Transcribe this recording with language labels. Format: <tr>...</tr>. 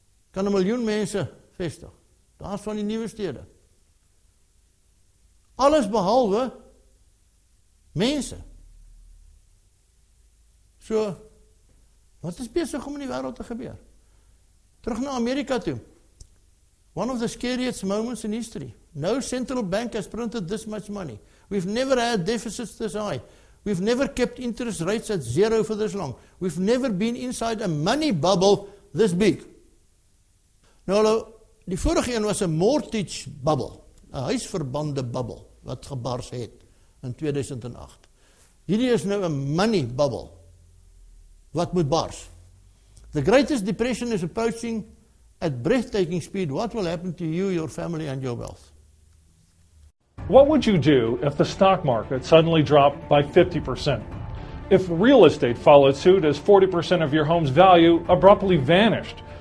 <af>Kan 'n miljoen mense vestig. Daar is van die nuwe stede. Alles behalwe mense. So, wat is besig om in die wêreld te gebeur? Terug na Amerika toe.</af> <en>One of the scariest moments in history. No central bank has printed this much money. We've never had deficits this high. We've never kept interest rates at zero for this long. We've never been inside a money bubble this big.</en> <af>Nou, die vorige een was 'n mortgage bubble, 'n huisverbande bubble wat gebars het in 2008. Hierdie is nou 'n money bubble wat moet bars.</af> <en>The greatest depression is approaching at breathtaking speed. What will happen to you, your family and your wealth? What would you do if the stock market suddenly dropped by 50%? If real estate followed suit as 40% of your home's value abruptly vanished?</en>